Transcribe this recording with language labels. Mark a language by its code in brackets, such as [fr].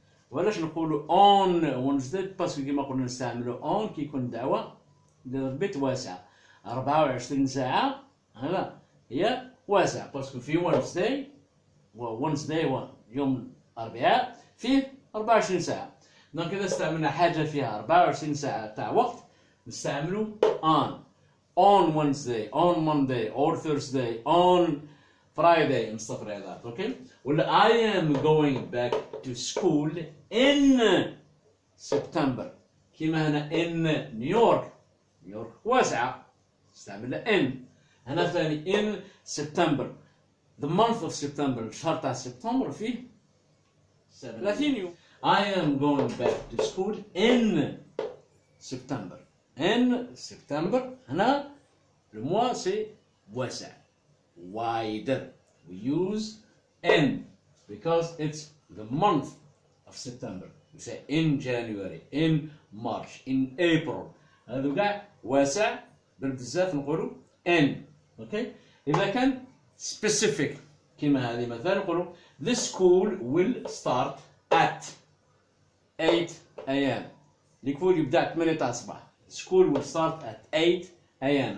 [ar] وعلاش نقولوا [en] on Wednesday [ar] باسكو كيما قلنا نستعملوا on كي يكون دعوة للبيت واسع 24 ساعة هذا هي واسع باسكو في Wednesday و Wednesday يوم الأربعاء فيه 24 ساعة دونك إذا استعملنا حاجة فيها 24 ساعة تاع وقت نستعملوا on. [en] on Wednesday, on Monday, or Thursday, on Friday, and stuff like that. Okay? Well, I am going back to school in September. [ar] كما هنا [en] in New York. [ar] New York واسعة. استعمل in. هنا ثاني [en] in September. The month of September. [ar] الشهر تاع سبتمبر فيه 30 يوم. [en] I am going back to school in September. In September. [ar] هنا الموان سي واسع. [en] Wider. We use in because it's the month of September. We say in January, in March, in April. [ar] هذا قاع واسع بالبزاف نقولوا in. [en] Okay? [ar] إذا كان [en] specific [ar] كما هذه مثلا نقولوا [en] this school will start at 8 a.m. [ar] ليكفول يبدا 8 تاع الصباح. [en] School will start at 8 a.m.